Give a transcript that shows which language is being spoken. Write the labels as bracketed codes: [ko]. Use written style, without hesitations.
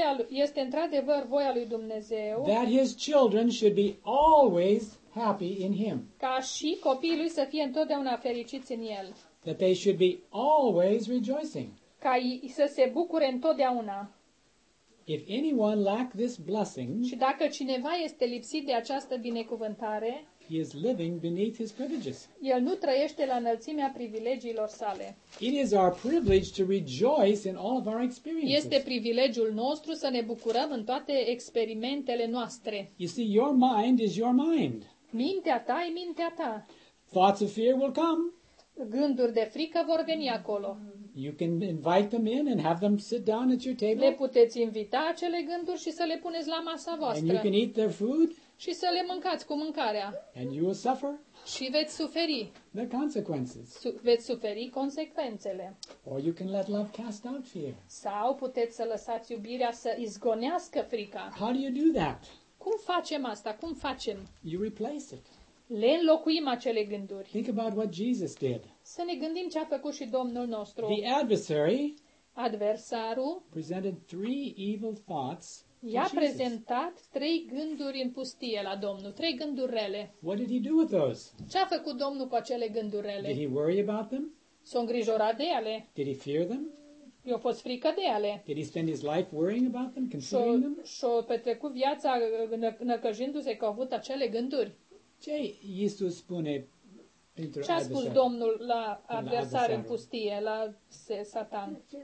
[ro] Este într-adevăr voia lui Dumnezeu. [en] That his children should be always happy in him. [ro] Ca și copiii lui să fie întotdeauna fericiți în el. [en] That they should be always rejoicing. [ro] Ca să se bucure întotdeauna. [en] If anyone lack this blessing, [ro] și dacă cineva este lipsit de această binecuvântare, [en] he is living beneath his privileges. [ro] El nu trăiește la înălțimea privilegiilor sale. [en] It is our privilege to rejoice in all of our experiences. [ro] Este privilegiul nostru să ne bucurăm în toate experimentele noastre. [en] You see, your mind is your mind. [ro] Mintea ta e mintea ta. [en] Thoughts of fear will come. [ro] Gânduri de frică vor veni acolo. [en] You can invite them in and have them sit down at your table. [ro] Le puteți invita acele gânduri și să le puneți la masa voastră. [en] And you can eat their food. [ro] Și să le mâncați cu mâncarea. [en] And you will suffer. [ro] Și veți suferi. [en] The consequences. [ro] Veți suferi consecvențele. [en] Or you can let love cast out fear. [ro] Sau puteți să lăsați iubirea să izgonească frica. [en] How do you do that? [ro] Cum facem asta? Cum facem? [en] You replace it. [ro] Le înlocuim acele gânduri. [en] Think about what Jesus did. [ro] Să ne gândim ce a făcut și Domnul nostru. [en] The adversary, [ro] adversarul, [en] presented three evil thoughts. [ro] I-a prezentat trei gânduri în pustie la Domnul, trei gânduri rele. [en] What did he do with those? [ro] Ce a făcut Domnul cu acele gânduri rele? [en] Did he worry about them? [ro] S-a îngrijorat de ele? [en] Did he fear them? [ro] I-a fost frică de ele? [en] Did he spend his life worrying about them, considering them? [ro] S-a petrecut viața năcăjindu-se că a avut acele gânduri. Ce Iisus spune pentru adversar? Ce a spus Domnul la adversar în pustie, la Satan?